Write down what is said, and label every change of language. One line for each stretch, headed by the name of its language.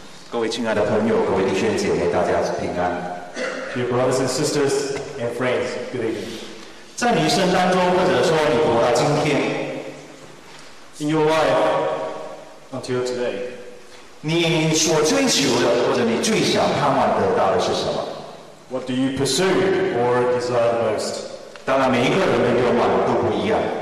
Chinese: 各位亲爱的朋友，各位弟兄姐妹，大家平安。
English: Dear brothers and sisters and friends, good evening.
Chinese: 在你一生当中，或者说你活到今天
English: ，In your life until today，
Chinese: 你所追求的或者你最想盼望得到的是什么
English: ？What do you pursue or desire most？
Chinese: 当然，每一个人的愿望都不一样。